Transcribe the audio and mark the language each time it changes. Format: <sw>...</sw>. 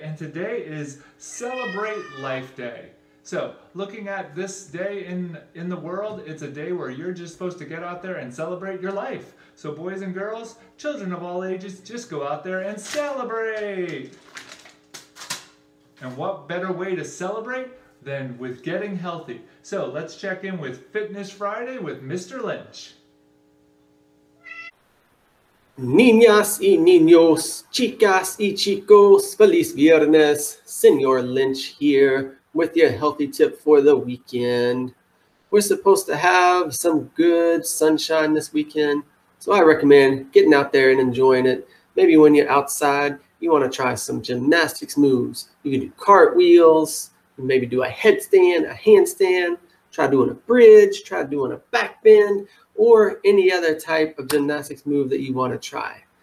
<en>And today is Celebrate Life Day. So looking at this day in the world, it's a day where you're just supposed to get out there and celebrate your life. So boys and girls, children of all ages, just go out there and celebrate. And what better way to celebrate than with getting healthy? So let's check in with Fitness Friday with Mr. Lynch.</en> <es>Niñas y niños, chicas y chicos, feliz viernes.</es> <en>Señor Lynch here with your healthy tip for the weekend. We're supposed to have some good sunshine this weekend, so I recommend getting out there and enjoying it. Maybe when you're outside, you want to try some gymnastics moves. You can do cartwheels, maybe do a headstand, a handstand, try doing a bridge, try doing a backbend, or any other type of gymnastics move that you want to try.</en>